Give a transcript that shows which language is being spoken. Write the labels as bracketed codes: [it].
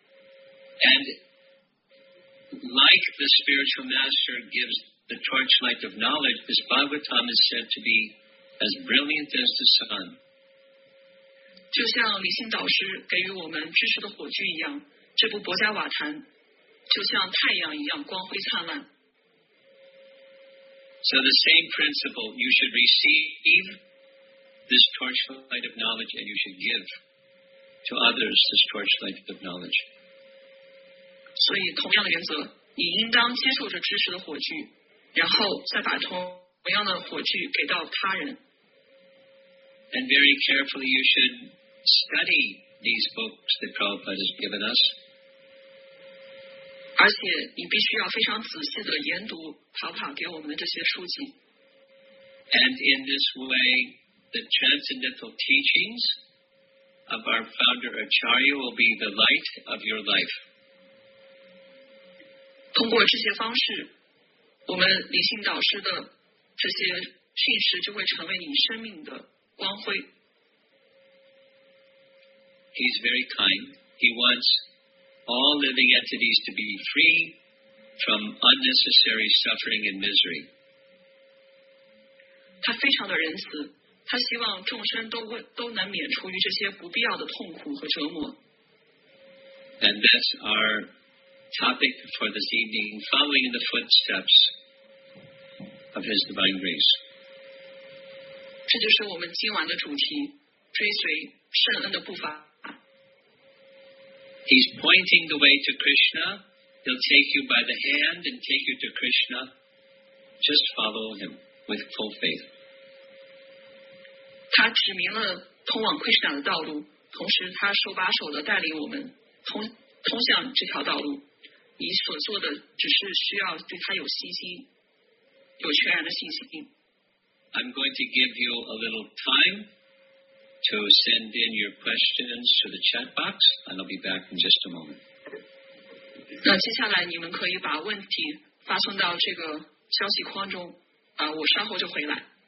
[en] like the spiritual master gives the torchlight of knowledge, this Bhagavatam is said to be as brilliant as the sun. [zh] 就像李信导师给予我们知识的火炬一样，这部博迦瓦坛。 [en] So the same principle, you should receive this torchlight of knowledge and you should give to others this torchlight of knowledge. [zh] 所以同样的原则，你应当接受着知识的火炬，然后再把同样的火炬给到他人。 [en] And very carefully you should study these books that Prabhupada has given us. [zh] 而且你必须要非常仔细地研读庞庞给我们的这些书籍。 [en] And in this way, the transcendental teachings of our founder Acharya will be the light of your life. [zh] 通过这些方式，我们灵性导师的这些训示就会成为你生命的光辉。 [en] He's very kind. He wants all living entities to be free from unnecessary suffering and misery. [zh] 他非常的仁慈，他希望众生都能免除于这些不必要的痛苦和折磨。 [en] And that's our topic for this evening, following in the footsteps of His Divine Grace. [zh] 这就是我们今晚的主题，追随圣恩的步伐。 [en] He's pointing the way to Krishna. He'll take you by the hand and take you to Krishna. Just follow him with full faith. [zh] 他指明了通往 Krishna 的道路，同时他手把手的带领我们通向这条道路。你所做的只是需要对他有信心，有全然的信心。 [en] I'm going to give you a little time. To send in your questions to the chat box, and I'll be back in just a moment. [zh] 那接下来你们可以把问题发送到这个消息框中，我稍后就回来。